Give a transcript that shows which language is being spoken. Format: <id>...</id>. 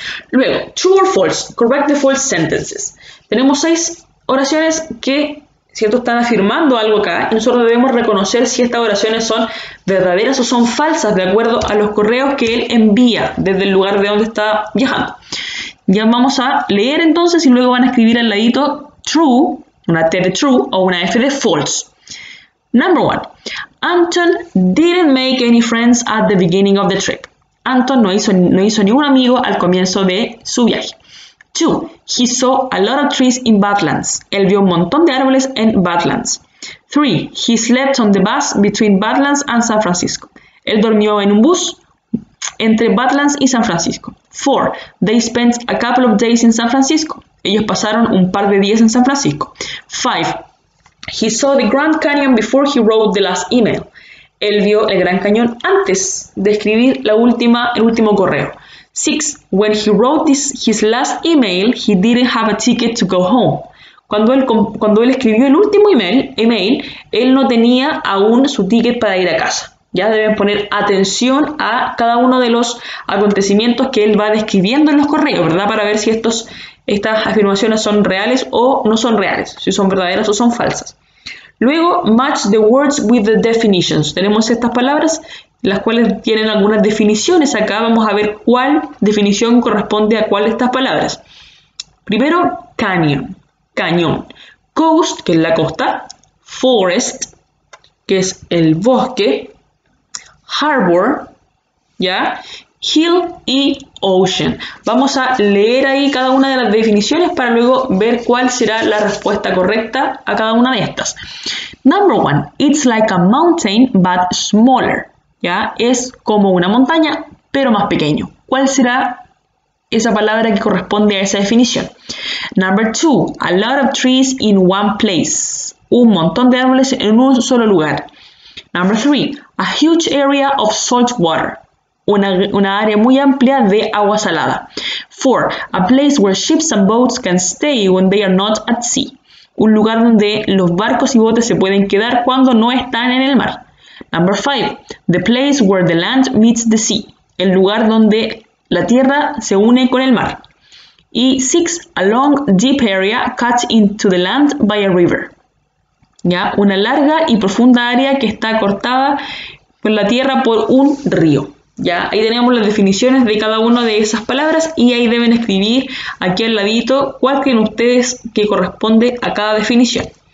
<es>Luego,</es> <en>true or false, correct the false sentences.</en> <es>Tenemos seis oraciones que, cierto, están afirmando algo acá y nosotros debemos reconocer si estas oraciones son verdaderas o son falsas de acuerdo a los correos que él envía desde el lugar de donde está viajando. Ya vamos a leer entonces y luego van a escribir al ladito true, una T de true o una F de false.</es> <en>Number one, Anton didn't make any friends at the beginning of the trip.</en> <es>Anton no hizo ningún amigo al comienzo de su viaje.</es> <en>Two, he saw a lot of trees in Badlands.</en> <es>Él vio un montón de árboles en Badlands.</es> <en>Three, he slept on the bus between Badlands and San Francisco.</en> <es>Él dormió en un bus entre Badlands y San Francisco.</es> <en>Four, they spent a couple of days in San Francisco.</en> <es>Ellos pasaron un par de días en San Francisco.</es> <en>Five, he saw the Grand Canyon before he wrote the last email.</en> <es>Él vio el Gran Cañón antes de escribir el último correo. 6.</es> <en>When he wrote his last email, he didn't have a ticket to go home.</en> <es>Cuando él escribió el último email, él no tenía aún su ticket para ir a casa. Ya deben poner atención a cada uno de los acontecimientos que él va describiendo en los correos, ¿verdad? Para ver si estas afirmaciones son reales o no son reales, si son verdaderas o son falsas. Luego,</es> <en>match the words with the definitions.</en> <es>Tenemos estas palabras, las cuales tienen algunas definiciones. Acá vamos a ver cuál definición corresponde a cuál de estas palabras. Primero, canyon, cañón. Coast, que es la costa. Forest, que es el bosque. Harbor, ¿ya? Hill y ocean. Vamos a leer ahí cada una de las definiciones para luego ver cuál será la respuesta correcta a cada una de estas.</es> <en>Number one, it's like a mountain but smaller.</en> <es>¿Ya? Es como una montaña, pero más pequeño. ¿Cuál será esa palabra que corresponde a esa definición?</es> <en>Number two, a lot of trees in one place.</en> <es>Un montón de árboles en un solo lugar.</es> <en>Number three, a huge area of salt water.</en> <es>Una área muy amplia de agua salada.</es> <en>4. A place where ships and boats can stay when they are not at sea.</en> <es>Un lugar donde los barcos y botes se pueden quedar cuando no están en el mar.</es> <en>Number 5. The place where the land meets the sea.</en> <es>El lugar donde la tierra se une con el mar. Y 6.</es> <en>A long, deep area cut into the land by a river. ¿Ya?</en> <es>Una larga y profunda área que está cortada por la tierra por un río. Ya, ahí tenemos las definiciones de cada una de esas palabras y ahí deben escribir aquí al ladito cuál creen ustedes que corresponde a cada definición.</es>